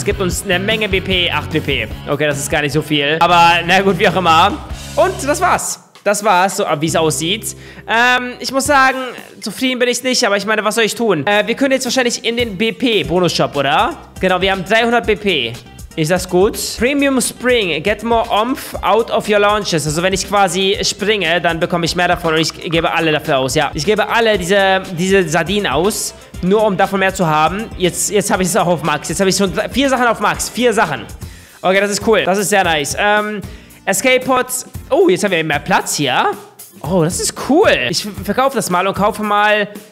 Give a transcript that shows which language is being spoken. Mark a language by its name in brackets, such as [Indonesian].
[German] Das gibt uns eine Menge BP, 8 BP. Okay, das ist gar nicht so viel. Aber, na gut, wie auch immer. Und das war's. Das war's, so wie es aussieht. Ich muss sagen, zufrieden bin ich nicht, aber ich meine, was soll ich tun? Wir können jetzt wahrscheinlich in den BP-Bonus-Shop, oder? Genau, wir haben 300 BP. Ist das gut? Premium Spring. [English] Get more Oomph out of your launches. [German] Also wenn ich quasi springe, dann bekomme ich mehr davon und ich gebe alle dafür aus. Ja, ich gebe alle diese Sardinen aus, nur um davon mehr zu haben. Jetzt habe ich es auch auf Max. Jetzt habe ich schon 4 Sachen auf Max. 4 Sachen. Okay, das ist cool. Das ist sehr nice. Escape Pods. Jetzt haben wir mehr Platz hier. Oh, das ist cool. Ich verkaufe das mal und kaufe mal...